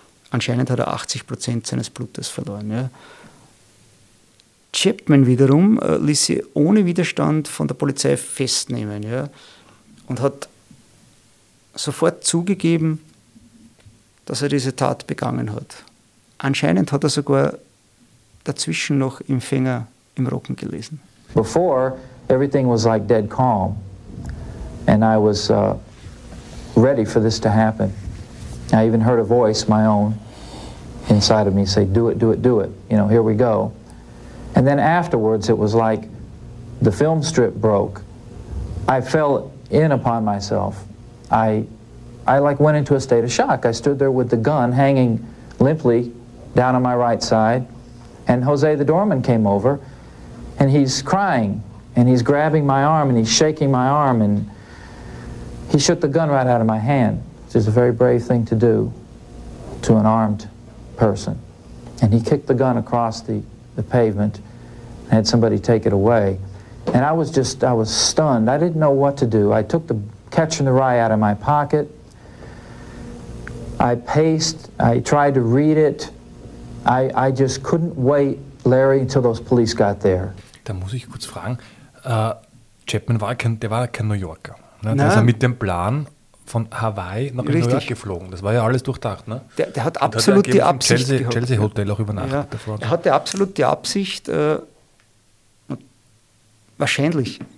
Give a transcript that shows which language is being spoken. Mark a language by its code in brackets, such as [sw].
[de] Anscheinend hat er 80% seines Blutes verloren. Ja. Chapman wiederum ließ sie ohne Widerstand von der Polizei festnehmen, ja, und hat sofort zugegeben, dass er diese Tat begangen hat. Anscheinend hat er sogar dazwischen noch im Finger im Rücken gelesen. [en] Before, everything was like dead calm. And I was ready for this to happen. I even heard a voice, my own, inside of me say, do it, do it, do it. You know, here we go. And then afterwards, it was like the film strip broke. I fell in upon myself. I like went into a state of shock. I stood there with the gun hanging limply down on my right side, and Jose the doorman came over, and he's crying, and he's grabbing my arm, and he's shaking my arm, and he shook the gun right out of my hand, which is a very brave thing to do to an armed person. And he kicked the gun across the pavement and had somebody take it away. And I was stunned. I didn't know what to do. I took the Catcher in the Rye out of my pocket. I paced, I tried to read it. I just couldn't wait, Larry, until those police got there. [de] Da muss ich kurz fragen, Chapman war kein, der war kein New Yorker. Ne? Der ist ja mit dem Plan von Hawaii nach New York geflogen. Das war ja alles durchdacht. Ne? Der hat absolut hat die Absicht Chelsea, gehabt. Chelsea Hotel auch übernachtet. Ja. Davor. Er hatte absolut die Absicht, wahrscheinlich